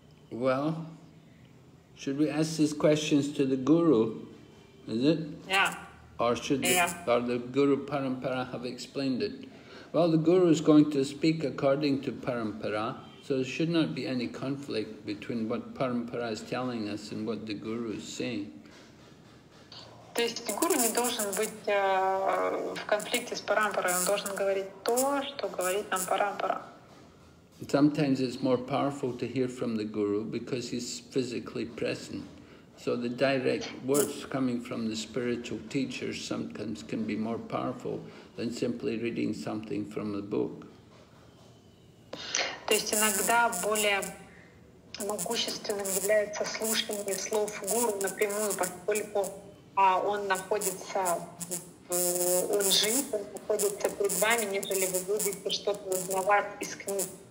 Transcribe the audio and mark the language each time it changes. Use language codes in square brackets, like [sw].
[en] Well, should we ask these questions to the guru, is it? Yeah. Or should the Guru Parampara have explained it? Well, the guru is going to speak according to Parampara, so there should not be any conflict between what Parampara is telling us and what the guru is saying. [ru] То есть гуру не должен быть в конфликте с Парампарой, он должен говорить то, что говорит нам Парампара. [en] Sometimes it's more powerful to hear from the guru because he's physically present. So the direct words coming from the spiritual teacher sometimes can be more powerful than simply reading something from a book. [ru] То есть иногда более могущественным является слушание слов гуру напрямую, поскольку он находится, он жив, он находится перед вами, нежели вы будете что-то узнавать из книг.